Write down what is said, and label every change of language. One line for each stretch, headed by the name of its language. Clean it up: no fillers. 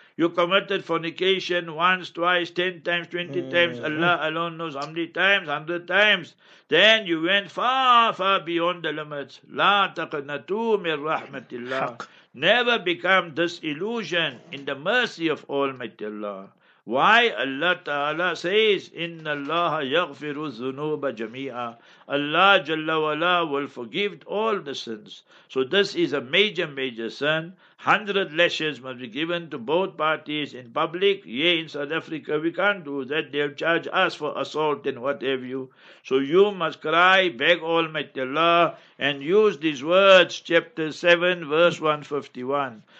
English: You committed fornication once, twice, 10 times, 20 times, Allah alone knows how many times, 100 times. Then you went far, far beyond the limits.
Arabic: La taqnatu min rahmatillah.
English: Never become disillusioned in the mercy of Almighty Allah. Why? Allah Ta'ala says,
Arabic: إِنَّ اللَّهَ يَغْفِرُ الذُّنُوبَ جَمِيعًا.
English: Allah Jalla Wala will forgive all the sins. So this is a major, major sin. 100 lashes must be given to both parties in public. Yea, in South Africa, we can't do that. They'll charge us for assault and what have you. So you must cry, beg Almighty Allah, and use these words, chapter 7, verse 151.